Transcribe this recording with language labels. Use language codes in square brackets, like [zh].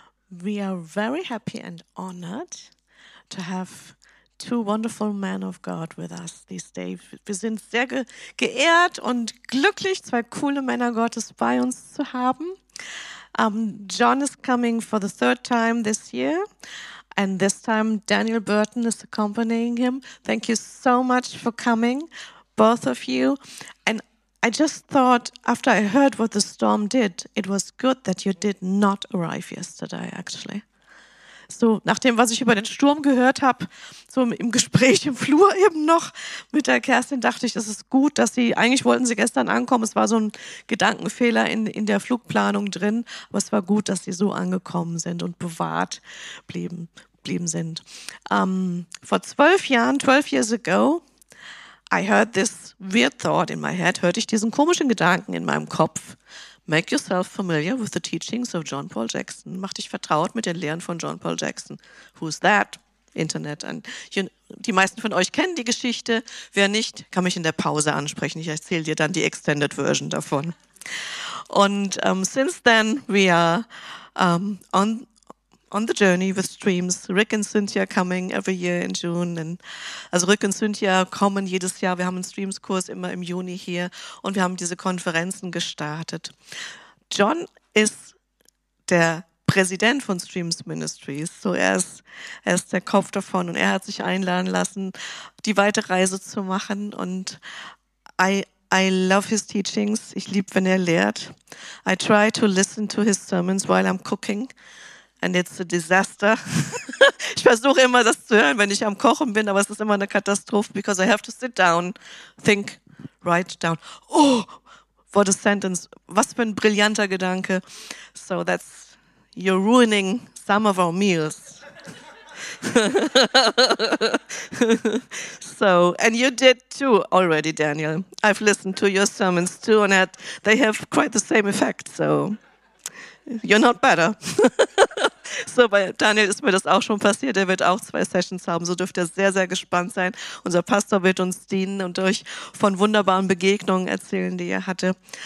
[en] We are very happy and honored to have two wonderful men of God with us this day. [de] Wir sind sehr geehrt und glücklich, zwei coole Männer Gottes bei uns zu haben. [en] John is coming for the third time this year, and this time Daniel Burton is accompanying him. Thank you so much for coming, both of you. And I just thought, after I heard what the storm did, it was good that you did not arrive yesterday, actually. [de] So, nach dem, was ich über den Sturm gehört habe, so im Gespräch im Flur eben noch mit der Kerstin, dachte ich, es ist gut, dass sie, eigentlich wollten sie gestern ankommen, es war so ein Gedankenfehler in der Flugplanung drin, aber es war gut, dass sie so angekommen sind und bewahrt blieben sind. [en] Vor 12 years ago, I heard this weird thought in my head, [de] hörte ich diesen komischen Gedanken in meinem Kopf. [en] Make yourself familiar with the teachings of John Paul Jackson. [de] Mach dich vertraut mit den Lehren von John Paul Jackson. [en] Who's that? [de] Internet. [en] And you, [de] die meisten von euch kennen die Geschichte. Wer nicht, kann mich in der Pause ansprechen. Ich erzähle dir dann die Extended Version davon. [en] Und since then, we are on the journey with streams. Rick and Cynthia coming every year in June. And also [de] Rick und Cynthia kommen jedes Jahr. Wir haben einen Streams-Kurs immer im Juni hier und wir haben diese Konferenzen gestartet. John ist der Präsident von Streams Ministries. So er ist der Kopf davon und er hat sich einladen lassen, die weite Reise zu machen. [en] Und I love his teachings. [de] Ich liebe, wenn er lehrt. [en] I try to listen to his sermons while I'm cooking. And it's a disaster. [de] Ich versuche immer, das zu hören, wenn ich am Kochen bin, aber es ist immer eine Katastrophe, [en] because I have to sit down, think, write down. Oh, what a sentence. [de] Was für ein brillanter Gedanke. [en] So that's, you're ruining some of our meals. So, and you did too already, Daniel. I've listened to your sermons too, and they have quite the same effect, so you're not better. [de] So, bei Daniel ist mir das auch schon passiert. Er wird auch zwei Sessions haben. So dürft ihr sehr, sehr gespannt sein. Unser Pastor wird uns dienen und euch von wunderbaren Begegnungen erzählen, die er hatte.